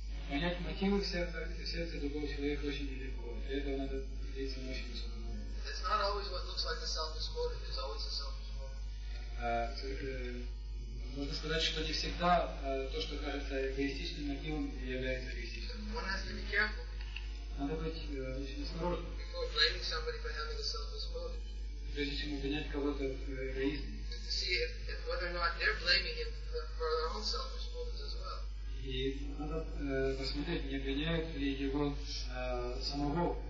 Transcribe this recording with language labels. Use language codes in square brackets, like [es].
[ru] Понять мотивы в сердце другого человека очень нелегко. Для этого надо действовать на очень высоком уровне. [en] It's not always what looks like a selfish motive. There's always a selfish motive. [ru] Можно сказать, что не всегда то, что кажется эгоистичным мотивом, является эгоистичным. [en] One has to be careful. [ru] Надо быть очень осторожным. [en] Before blaming somebody for having a selfish motive. [ru] Прежде чем обвинять кого-то в эгоизме. [en] To see if whether or not they're blaming him for their own selfish motives as well. [ru] И надо посмотреть, не обвиняют ли его самого